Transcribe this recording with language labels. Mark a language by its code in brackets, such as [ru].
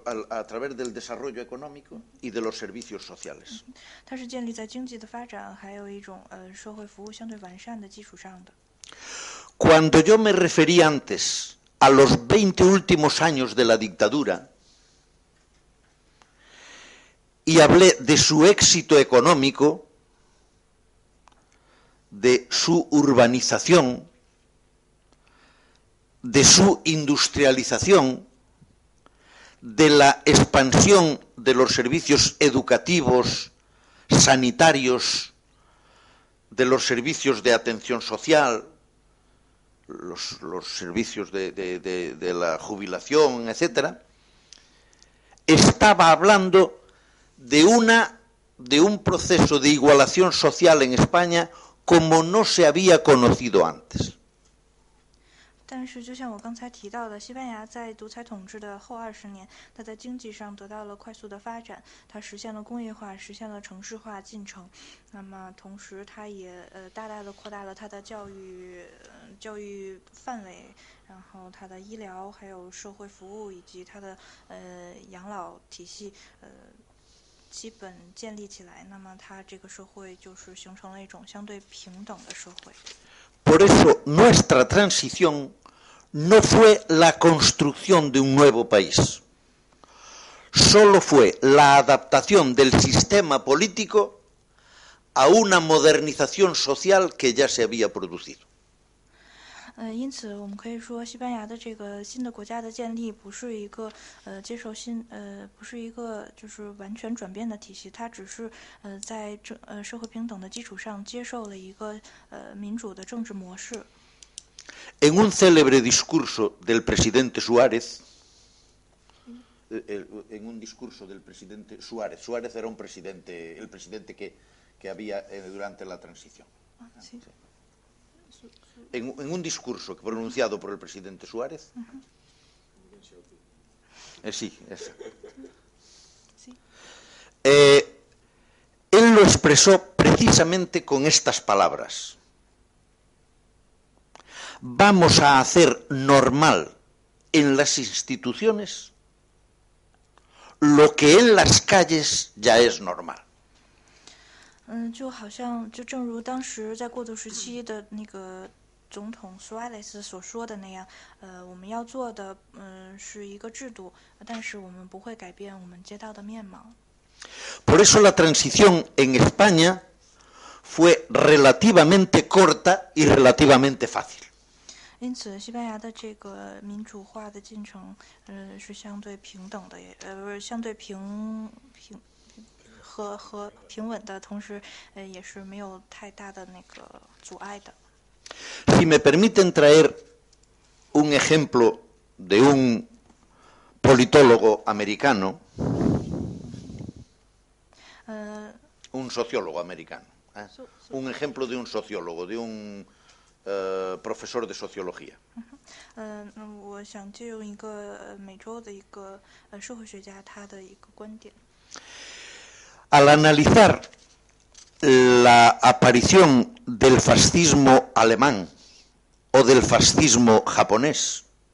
[es] a través del desarrollo económico y de los servicios sociales. [zh] 它是建立在经济的发展，还有一种社会服务相对完善的基础上的。 [es] Cuando yo me referí antes a los 20 últimos años de la dictadura y hablé de su éxito económico, de su urbanización, de su industrialización,de la expansión de los servicios educativos, sanitarios, de los servicios de atención social, los servicios de la jubilación, etc., estaba hablando de un proceso de igualación social en España como no se había conocido antes. [zh] 但是就像我刚才提到的，西班牙在独裁统治的后二十年，它在经济上得到了快速的发展，它实现了工业化，实现了城市化进程，那么同时它也大大的扩大了它的教育范围，然后它的医疗还有社会服务以及它的养老体系基本建立起来，那么它这个社会就是形成了一种相对平等的社会。 [es] Por eso nuestra transición no fue la construcción de un nuevo país, solo fue la adaptación del sistema político a una modernización social que ya se había producido. [zh] 因此我们可以说西班牙的这个新的国家的建立不是一个接受新不是一个就是完全转变的体系，它只是在社会平等的基础上接受了一个民主的政治模式。 [es] En un célebre discurso del presidente Suárez, en un discurso del presidente Suárez, Suárez era un presidente, el presidente que había durante la transición. Sí. En un discurso pronunciado por el presidente Suárez. Uh-huh. Sí, esa. Sí. Él lo expresó precisamente con estas palabras. Vamos a hacer normal en las instituciones lo que en las calles ya es normal. [zh] 就好像就正如当时在过渡时期的那个总统苏阿雷斯所说的那样，我们要做的是一个制度，但是我们不会改变我们街道的面貌。 [es] Por eso la transición en España fue relativamente corta y relativamente fácil. [zh] 因此，西班牙的这个民主化的进程，是相对平等的，不是相对平。和平稳的同时，也是没有太大的那个阻碍的。 [es] Si me permiten traer un ejemplo de un politólogo americano, un sociólogo americano, un ejemplo de un sociólogo, de un profesor de sociología. [zh] 我想借用一个美洲的一个社会学家他的一个观点。 [es] Al analizar la aparición del fascismo alemán o del fascismo japonés?